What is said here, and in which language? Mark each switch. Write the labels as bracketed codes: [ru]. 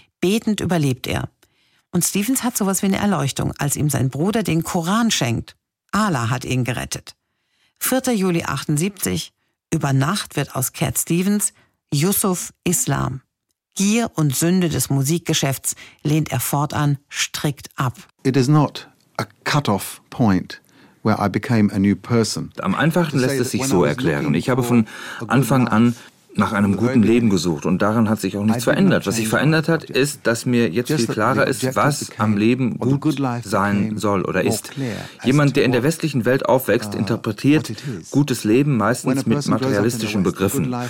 [de] Betend überlebt er. Und Stevens hat sowas wie eine Erleuchtung, als ihm sein Bruder den Koran schenkt. Allah hat ihn gerettet. 4. Juli 78. Über Nacht wird aus Cat Stevens Yusuf Islam. Gier und Sünde des Musikgeschäfts lehnt er fortan strikt ab. [en] It is not a cut-off point where I became a new person. [de] Am einfachsten lässt es sich so erklären. Ich habe von Anfang an nach einem guten Leben gesucht und daran hat sich auch nichts verändert. Was sich verändert hat, ist, dass mir jetzt viel klarer ist, was am Leben gut sein soll oder ist. Jemand, der in der westlichen Welt aufwächst, interpretiert gutes Leben meistens mit materialistischen Begriffen.